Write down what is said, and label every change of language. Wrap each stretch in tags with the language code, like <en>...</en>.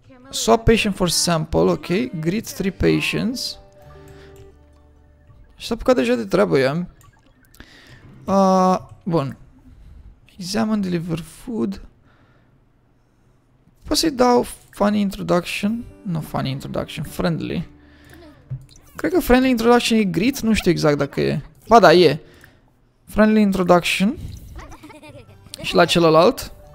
<en>swap patient for sample, ok. Greet 3 patients.</en> <ro>Și s-a apucat deja de treabă ea.</ro> <en>Bun. Examine, deliver food.</en> <ro>Poți să-i dau</ro> <en>funny introduction?</en> <ro>Nu</ro> <en>funny introduction, friendly.</en> <ro>Cred că</ro> <en>friendly introduction</en> <ro>e greet, nu știu exact dacă e. Ba da, e.</ro> <en>Friendly introduction.</en> <ro>Și la celălalt.</ro>